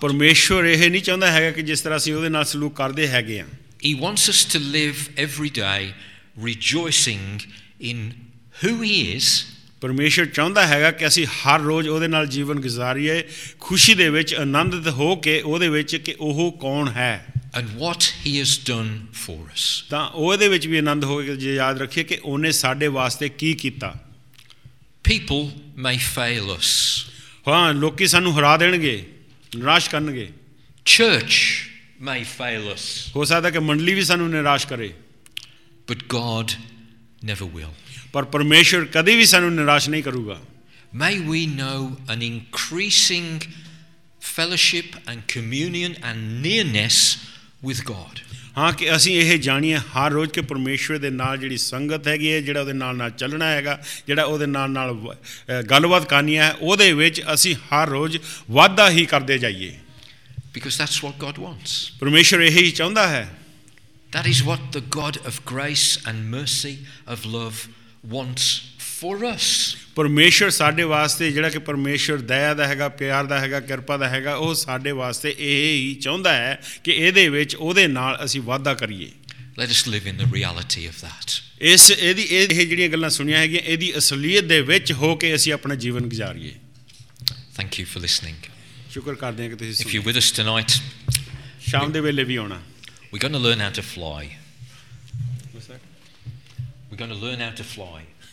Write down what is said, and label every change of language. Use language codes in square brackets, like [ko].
[pa] ਪਰਮੇਸ਼ਵਰ ਇਹ ਨਹੀਂ ਚਾਹੁੰਦਾ ਹੈਗਾ ਕਿ ਜਿਸ ਤਰ੍ਹਾਂ ਅਸੀਂ ਉਹਦੇ ਨਾਲ ਸਲੂਕ ਕਰਦੇ ਹੈਗੇ ਆ। [en] He wants us to live every day rejoicing in who he is. [pa] ਪਰਮੇਸ਼ਵਰ ਚਾਹੁੰਦਾ ਹੈਗਾ ਕਿ ਅਸੀਂ ਹਰ ਰੋਜ਼ ਉਹਦੇ ਨਾਲ ਜੀਵਨ ਗੁਜ਼ਾਰੀਏ ਖੁਸ਼ੀ ਦੇ ਵਿੱਚ ਆਨੰਦਿਤ ਹੋ ਕੇ ਉਹਦੇ ਵਿੱਚ ਕਿ ਉਹ ਕੌਣ ਹੈ। [en] And what he has done for us. [pa] ਤਾਂ ਉਹਦੇ ਵਿੱਚ ਵੀ ਆਨੰਦ ਹੋ ਕੇ ਜੇ ਯਾਦ ਰੱਖੀਏ ਕਿ ਉਹਨੇ ਸਾਡੇ ਵਾਸਤੇ ਕੀ ਕੀਤਾ। [en] People may fail us. [pa] ਹਾਂ ਲੋਕੀ ਸਾਨੂੰ ਹਰਾ ਦੇਣਗੇ, ਨਿਰਾਸ਼ ਕਰਨਗੇ। [en] Church may fail us. [pa] ਹੋ ਸਕਦਾ ਕਿ ਮੰਡਲੀ ਵੀ ਸਾਨੂੰ ਨਿਰਾਸ਼ ਕਰੇ। [en] But God never will. [pa] ਪਰ ਪਰਮੇਸ਼ਰ ਕਦੇ ਵੀ ਸਾਨੂੰ ਨਿਰਾਸ਼ ਨਹੀਂ ਕਰੂਗਾ। [en] May we know an increasing fellowship and communion and nearness with God. [pa] ਹਾਂ ਕਿ ਅਸੀਂ ਇਹ ਜਾਣੀਏ ਹਰ ਰੋਜ਼ ਕਿ ਪਰਮੇਸ਼ਵਰ ਦੇ ਨਾਲ ਜਿਹੜੀ ਸੰਗਤ ਹੈਗੀ ਹੈ, ਜਿਹੜਾ ਉਹਦੇ ਨਾਲ ਨਾਲ ਚੱਲਣਾ ਹੈਗਾ, ਜਿਹੜਾ ਉਹਦੇ ਨਾਲ ਨਾਲ ਗੱਲਬਾਤ ਕਰਨੀ ਹੈ, ਉਹਦੇ ਵਿੱਚ ਅਸੀਂ ਹਰ ਰੋਜ਼ ਵਾਧਾ ਹੀ ਕਰਦੇ ਜਾਈਏ। [en] Because that's what God wants. [pa] ਪਰਮੇਸ਼ਵਰ ਇਹ ਹੀ ਚਾਹੁੰਦਾ ਹੈ। [en] That is what the God of grace and mercy of love wants for us. [pa] ਪਰਮੇਸ਼ਵਰ ਸਾਡੇ ਵਾਸਤੇ ਜਿਹੜਾ ਕਿ ਪਰਮੇਸ਼ਵਰ ਦਇਆ ਦਾ ਹੈਗਾ, ਪਿਆਰ ਦਾ ਹੈਗਾ, ਕਿਰਪਾ ਦਾ ਹੈਗਾ, ਉਹ ਸਾਡੇ ਵਾਸਤੇ ਇਹ ਹੀ ਚਾਹੁੰਦਾ ਹੈ ਕਿ ਇਹਦੇ ਵਿੱਚ ਉਹਦੇ ਨਾਲ ਅਸੀਂ ਵਾਧਾ ਕਰੀਏ। [en] Let us live in the reality of that. [pa] ਇਸ ਇਹਦੀ ਇਹ ਜਿਹੜੀਆਂ ਗੱਲਾਂ ਸੁਣੀਆਂ ਹੈਗੀਆਂ ਇਹਦੀ ਅਸਲੀਅਤ ਦੇ ਵਿੱਚ ਹੋ ਕੇ ਅਸੀਂ ਆਪਣਾ ਜੀਵਨ ਗੁਜ਼ਾਰੀਏ। [en] Thank you for listening. [pa] ਸ਼ੁਕਰ ਕਰਦੇ ਹਾਂ ਕਿ ਤੁਸੀਂ ਸੁਣ। [en] If you're with us tonight, [pa] ਸ਼ਾਮ ਦੇ ਵੇਲੇ ਵੀ ਆਉਣਾ। [en] We're going to learn how to fly. What's that? We're going to learn how to fly.